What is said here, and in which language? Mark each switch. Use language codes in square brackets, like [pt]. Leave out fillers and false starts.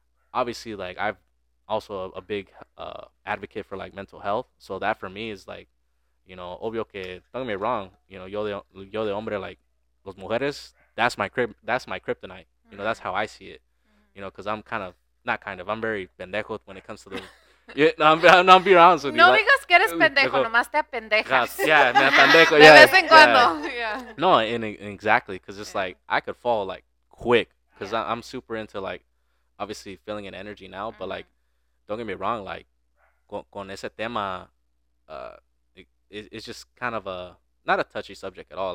[en] Obviously, like, I'm also a big advocate for, like, mental health. So that for me is, like, you know, [es] obvio que, [en] don't get me wrong, you know, [es] yo de hombre, [en] like, [es] los mujeres, [en] that's my kryptonite. You know, that's how I see it. You know, because I'm I'm very pendejo when it comes to the, I'm being honest with you. [es] No digas que eres pendejo, nomás te pendejas. Yeah, me pendejo, de vez en cuando. Yeah. [en] No, and exactly, because it's, like, I could fall, like, quick, because I'm super into, like, obviously feeling an energy now, but, like, don't get me wrong, like, [es] con ese tema, [en] it's just kind of not a touchy subject at all.